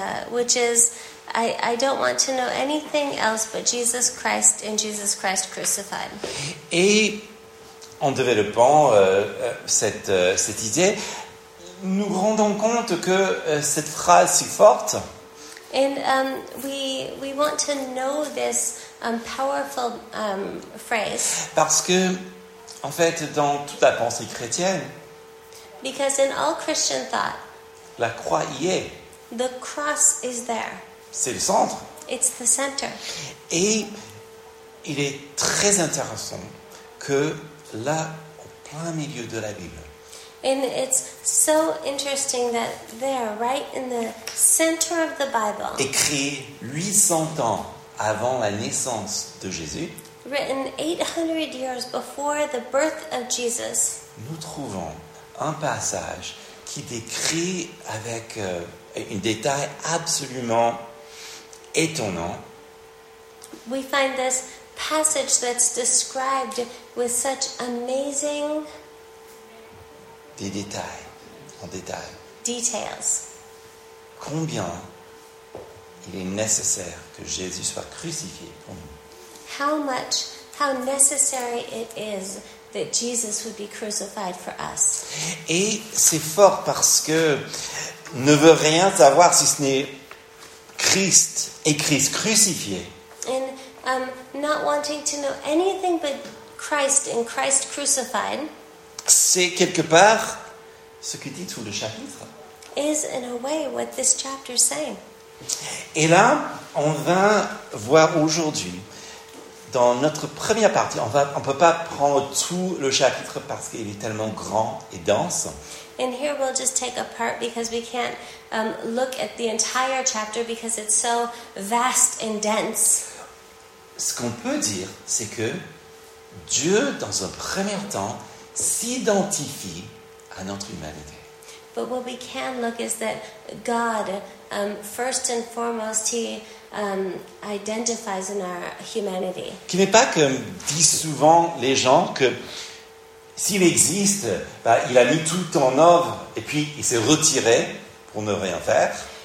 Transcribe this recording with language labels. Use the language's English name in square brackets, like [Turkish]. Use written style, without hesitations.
[English] Which is, I don't want to know anything else but Jesus Christ and Jesus Christ crucified. [French] Et en développant cette idée, nous rendons compte que cette phrase si forte. [English] And we want to know this powerful phrase. [French] Parce que, en fait, dans toute la pensée chrétienne. [English] Because in all Christian thought. [French] La croix y est. [English] The cross is there. [French] C'est le centre. [English] It's the center. [French] Et il est très intéressant que là, au plein milieu de la Bible. [English] And it's so interesting that there, right in the center of the Bible. [French] Écrit 800 ans avant la naissance de Jésus. [English] Written 800 years before the birth of Jesus. [French] Nous trouvons un passage qui décrit avec un détail absolument étonnant. [English] We find this passage that's described with such amazing [French] des détails, en détail. [English] Details. [French] Combien il est nécessaire que Jésus soit crucifié pour nous. [English] How necessary it is that Jesus would be crucified for us. [French] Et c'est fort parce que ne veut rien savoir si ce n'est Christ et Christ crucifié. [English] And not wanting to know anything but Christ and Christ crucified. [French] C'est quelque part ce que dit tout le chapitre. [English] Is in a way what this chapter is saying. [French] Et là, on va voir aujourd'hui, dans notre première partie, on peut pas prendre tout le chapitre parce qu'il est tellement grand et dense. [English] And here we'll just take a part because we can't look at the entire chapter because it's so vast and dense. [French] Ce qu'on peut dire, c'est que Dieu, dans un premier temps, s'identifie à notre humanité. [English] But what we can look is that God, first and foremost, he identifies in our humanity. [French] Qui n'est pas comme disent souvent les gens que s'il existe, bah, il a mis tout en œuvre et puis il s'est retiré pour ne rien faire.